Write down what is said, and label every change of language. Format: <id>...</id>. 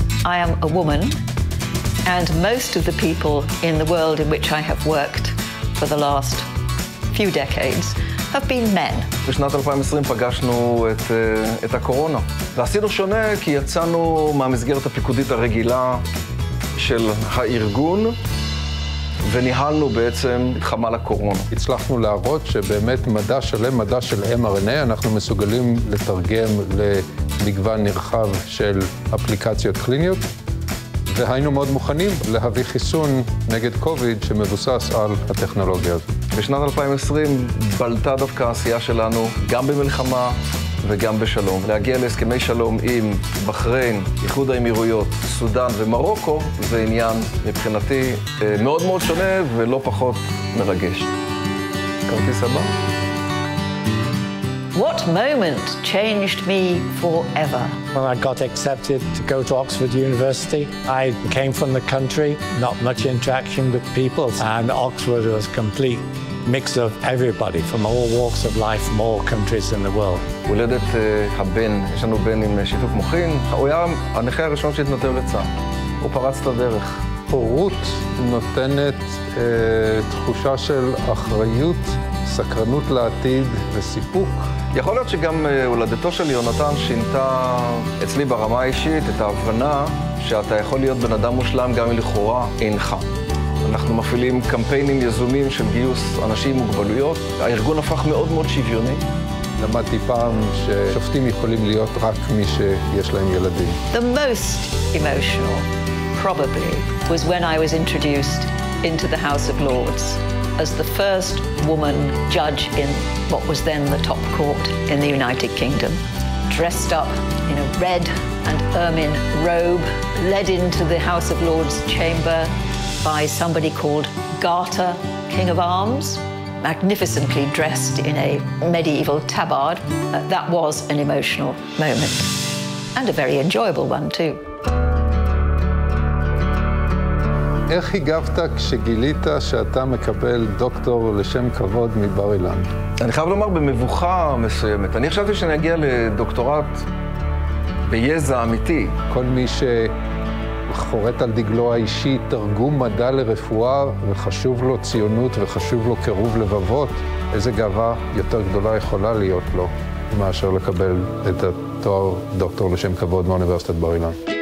<en>I am a woman, and most of the people in the world in which I have worked for the last few decades have been men.</en> <he>בשנת 2020 פגשנו את הקורונה. ועשינו שונה כי יצאנו מהמסגרת הפיקודית הרגילה של הארגון, וניהלנו בעצם חמל הקורונה. הצלחנו להראות שבאמת מדע שלם, מדע של mRNA, אנחנו מסוגלים לתרגם למגוון נרחב של אפליקציות קליניות, והיינו מאוד מוכנים להביא חיסון נגד קוביד שמבוסס על הטכנולוגיות. בשנת 2020 בלטה דווקא העשייה שלנו גם במלחמה וגם בשלום. להגיע להסכמי שלום עם בחריין, איחוד האמירויות, סודן ומרוקו, זה עניין מבחינתי מאוד מאוד שונה ולא פחות מרגש. כרטיס הבא.</he> <en>What moment changed me forever? When I got accepted to go to Oxford University, I came from the country, not much interaction with people, and Oxford was a complete mix of everybody from all walks of life, from all countries in the world.</en> <he>הולדת הבן, יש לנו בן עם שיתוף מוחין, הוא היה הנכה הראשון שהתנדב לצה"ל. הוא פרץ את הדרך. הורות נותנת תחושה של אחריות, סקרנות לעתיד וסיפוק. יכול להיות שגם הולדתו של יונתן שינתה אצלי ברמה האישית את ההבנה שאתה יכול להיות בן אדם מושלם גם לכאורה אינך. אנחנו מפעילים קמפיינים יזומים של גיוס אנשים עם מוגבלויות. הארגון הפך מאוד מאוד שוויוני. למדתי פעם ששופטים יכולים להיות רק מי שיש להם ילדים.</he> <en>The most emotional probably was when I was introduced into the House of Lords as the first woman judge in what was then the top court in the United Kingdom, dressed up in a red and ermine robe, led into the House of Lords chamber by somebody called Garter, King of Arms, magnificently dressed in a medieval tabard. That was an emotional moment, and a very enjoyable one too.</en> <he>איך הגבת כשגילית שאתה מקבל דוקטור לשם כבוד מבר אילן? אני חייב לומר במבוכה מסוימת. אני חשבתי שאני אגיע לדוקטורט ביזע אמיתי. כל מי שחורט על דגלו האישי, תרגום מדע לרפואה, וחשוב לו ציונות וחשוב לו קירוב לבבות, איזה גאווה יותר גדולה יכולה להיות לו מאשר לקבל את התואר דוקטור לשם כבוד מאוניברסיטת בר אילן.</he>